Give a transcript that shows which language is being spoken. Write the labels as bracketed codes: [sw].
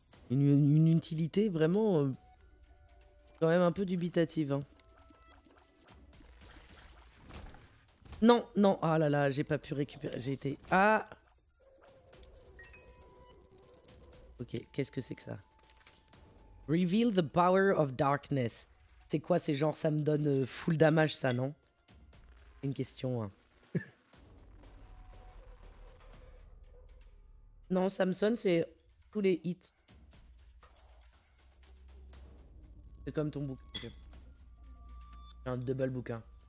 [fr] Une utilité vraiment, quand même un peu dubitative, hein. Non, non, ah là là, j'ai pas pu récupérer, j'ai été... Ah ! Ok, qu'est-ce que c'est que ça ? [en] Reveal the power of darkness. [fr] C'est quoi, c'est genre ça me donne [en] full damage [fr] ça, non ? C'est une question, hein. Non, ça me sonne, c'est tous les hits. C'est comme ton bouquin. Okay. J'ai un double bouquin.